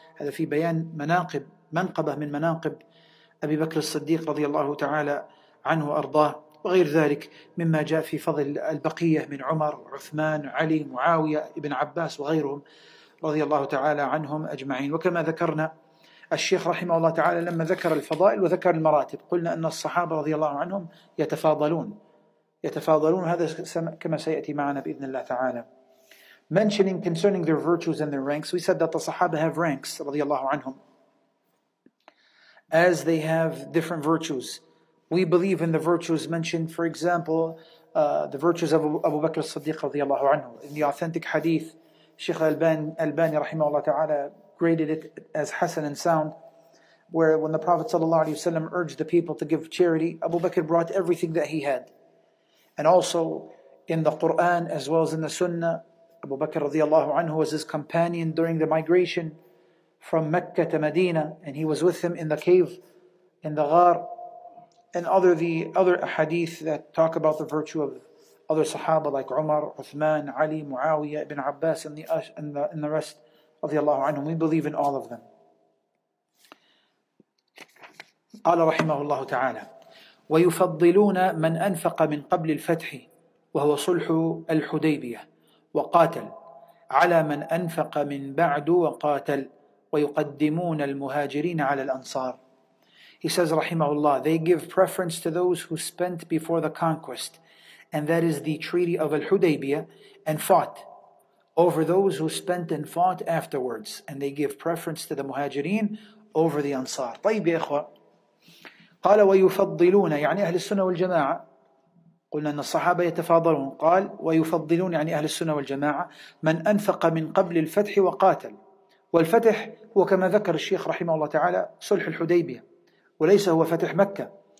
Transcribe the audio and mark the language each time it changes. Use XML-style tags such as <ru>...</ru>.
<ar>هذا في بيان مناقب، منقبة من مناقب أبي بكر الصديق رضي الله تعالى عنه وأرضاه، وغير ذلك مما جاء في فضل البقية من عمر وعثمان وعلي معاوية ابن عباس وغيرهم رضي الله تعالى عنهم أجمعين. وكما ذكرنا الشيخ رحمه الله تعالى لما ذكر الفضائل وذكر المراتب، قلنا أن الصحابة رضي الله عنهم يتفاضلون، يتفاضلون. هذا كما سيأتي معنا بإذن الله تعالى.</ar> <en>Mentioning concerning their virtues and their ranks, we said that the Sahaba have ranks,</en> <ar>رضي الله عنهم,</ar> <en>as they have different virtues. We believe in the virtues mentioned, for example, the virtues of Abu Bakr al-Siddiq,</en> <ar>رضي الله عنه.</ar> <en>In the authentic hadith, Sheikh al-Albani,</en> <ar>رحمه الله تعالى,</ar> <en>graded it as hasan and sound, where when the Prophet ﷺ urged the people to give charity, Abu Bakr brought everything that he had. And also in the Qur'an as well as in the Sunnah, Abu Bakr radiallahu anhu was his companion during the migration from Mecca to Medina, and he was with him in the cave, in the ghar, and the other hadith that talk about the virtue of other Sahaba like Umar, Uthman, Ali, Muawiyah, Ibn Abbas, and the rest radiallahu anhum. We believe in all of them.</en> <ar>قال رحمه الله تعالى ويفضلون من أنفق من قبل الفتح وهو صلح الحديبية وقاتل على من أنفق من بعد وقاتل ويقدمون المهاجرين على الأنصار.</ar> <en>He says</en> <ar>رحمه الله,</ar> <en>they give preference to those who spent before the conquest, and that is the treaty of al-Hudaybiyah, and fought over those who spent and fought afterwards, and they give preference to the muhajirin over the Ansar.</en> <ar>طيب يا إخوة, قال ويفضلون يعني أهل السنة والجماعة, قلنا أن الصحابة يتفاضلون, قال ويفضلون يعني أهل السنة والجماعة من أنفق من قبل الفتح وقاتل. والفتح هو كما ذكر الشيخ رحمه الله تعالى صلح الحديبية, وليس هو فتح مكة.</ar>